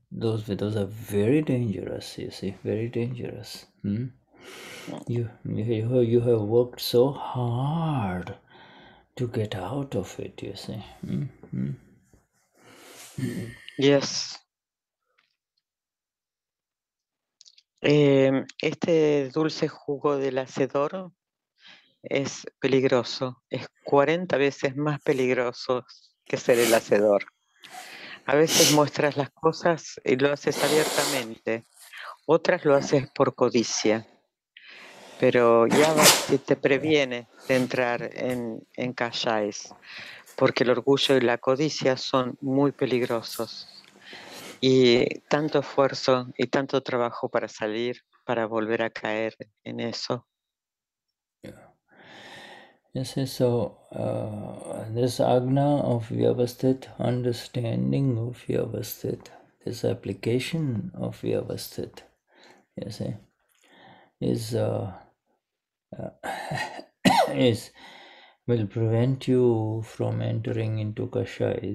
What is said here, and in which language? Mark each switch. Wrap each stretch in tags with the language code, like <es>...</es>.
<en>those Vedas are very dangerous, you see, very dangerous. You have worked so hard to get out of it, you see. Yes.</en> <es>Este dulce jugo del hacedor es peligroso, es 40 veces más peligroso que ser el hacedor. A veces muestras las cosas y lo haces abiertamente, otras lo haces por codicia. Pero ya te previene de entrar en Kashais, porque el orgullo y la codicia son muy peligrosos. Y tanto esfuerzo y tanto trabajo para salir, para volver a caer en eso.</es> <en>Yes, so this Agna of Vyavasthit, understanding of Vyavasthit, this application of Vyavasthit, you see, will prevent you from entering into Kashai.</en>